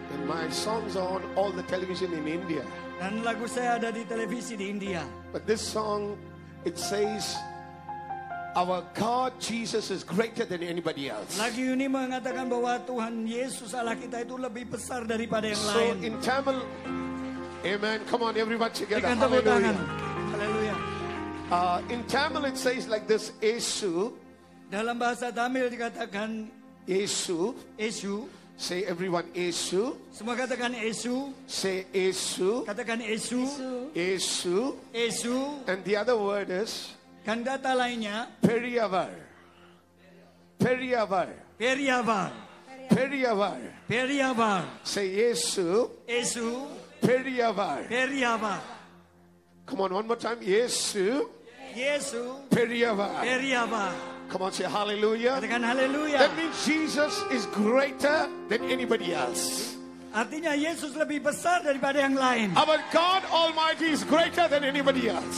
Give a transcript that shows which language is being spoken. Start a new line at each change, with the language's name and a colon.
English: And my songs are on all the television in India.
Indonesian: Dan lagu saya ada di televisi di India.
English: But this song, it says, our God Jesus is greater than anybody else.
Indonesian: Lagu ini mengatakan bahwa Tuhan Yesus Allah kita itu lebih besar daripada yang
English: so
Indonesian: lain.
English: So in Tamil, amen. Come on, everybody together. Hallelujah. Hallelujah. In Tamil it says like this, Yesu.
Indonesian: Dalam bahasa Tamil dikatakan
Tamil: Yesu. Yesu.
English: Say everyone Yesu.
Indonesian: Semua katakan Yesu.
English: Say Yesu.
Indonesian: Katakan Yesu.
Tamil: Yesu. Yesu.
English: And the other word is
Indonesian: kan kata lainnya
Tamil: Periyavar. Periyavar. Periyavar. Periyavar. Periyavar.
English: Say Yesu.
Tamil: Yesu. Periyavar. Periyavar.
English: Come on, one more time. Yesu.
Tamil: Yesu. Periyavar. Periyavar.
English: Come on, say hallelujah.
Indonesian: Katakan hallelujah.
English: That means Jesus is greater than anybody else.
Indonesian: Artinya Yesus lebih besar daripada yang lain.
English: Our God Almighty is greater than anybody else.